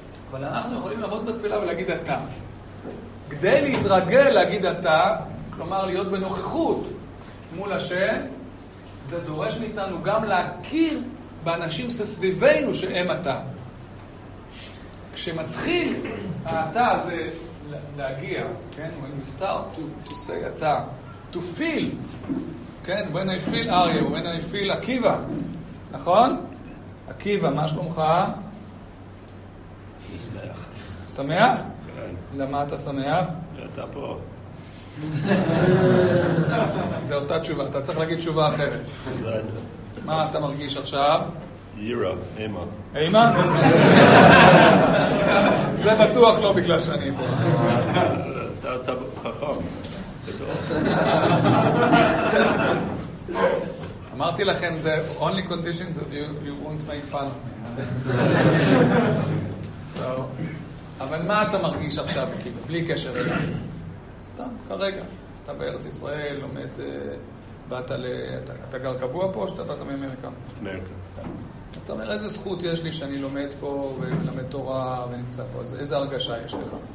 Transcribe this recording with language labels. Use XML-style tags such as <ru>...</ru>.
<he>אבל אנחנו יכולים לעבוד בתפילה ולהגיד אתה. כדי להתרגל להגיד אתה, כלומר להיות בנוכחות מול השם, זה דורש מאיתנו גם להכיר באנשים שסביבנו שהם אתה. כשמתחיל האתה הזה להגיע, כן?</he> <en>When we start to say אתה, to feel, כן? When I feel אריה, when I feel עקיבא, נכון?</en> <he>עקיבא, מה שלומך? שמח. שמח? כן. למה אתה שמח? אתה פה. זה אותה תשובה, אתה צריך להגיד תשובה אחרת. מה אתה מרגיש עכשיו? יירה, אימא. אימא? זה בטוח לא בגלל שאני פה. אתה חכם, בטוח. אמרתי לכם,</he> <en>the only condition is that you won't make fun of me.</en> <he>So, אבל מה אתה מרגיש עכשיו, כאילו, בלי קשר אליי? סתם, כרגע. אתה בארץ ישראל, לומד, באת ל... אתה גר קבוע פה או שאתה באת מאמריקה? מאמריקה. אז אתה אומר, איזה זכות יש לי שאני לומד פה ולמד תורה ונמצא פה? אז איזה הרגשה יש לך?</he>